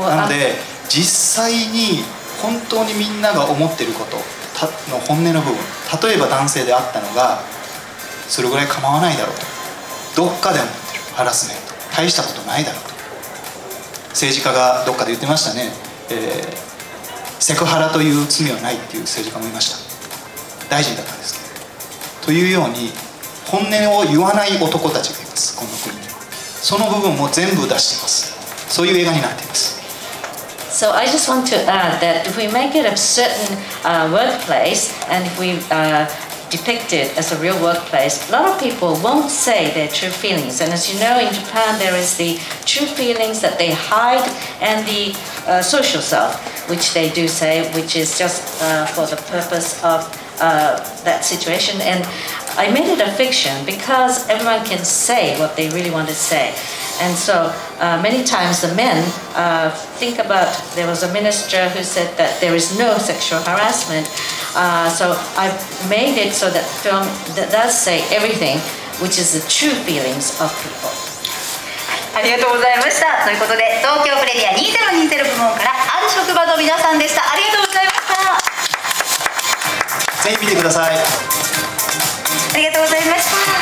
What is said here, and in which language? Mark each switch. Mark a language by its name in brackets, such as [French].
[Japanese] なので実際に本当にみんなが思ってることの本音の部分、例えば男性であったのが、それぐらい構わないだろうと、どっかで思ってるハラスメント、大したことないだろうと、政治家がどっかで言ってましたね、セクハラという罪はないっていう政治家もいました、大臣だったんですけど、というように本音を言わない男たちがいます、この国に。その部分も全部出しています。そういう映画になっています。 [English] So I just want to add that if we make it a certain workplace, and if we depict it as a real workplace, a lot of people won't say their true feelings. And as you know, in Japan there is the true feelings that they hide, and the social self which they do say, which is just for the purpose ofthat situation. And I made it a fiction because everyone can say what they really want to say. And so many times the men think about, there was a minister who said that there is no sexual harassment. So I made it so that film that does say everything, which is the true feelings of people. [Japanese] ありがとうございました。ということで、東京プレミア2020部門からある職場の皆さんでした。ありがとうございました。ぜひ見てください。ありがとうございました。